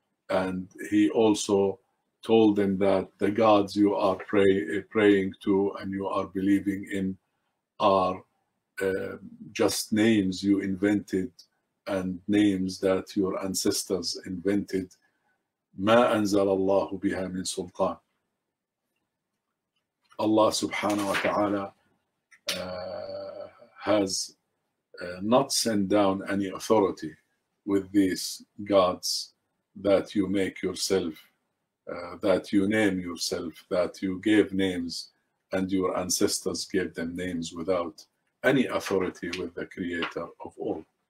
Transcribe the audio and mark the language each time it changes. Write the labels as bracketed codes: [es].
[en] And he also told them that the gods you are praying to and you are believing in are just names you invented and names that your ancestors invented. [ar] ما أنزل الله بها من سلطان. [en] Allah subhanahu wa ta'ala has not sent down any authority with these gods that you make yourself, that you name yourself, that you gave names and your ancestors gave them names without any authority with the creator of all.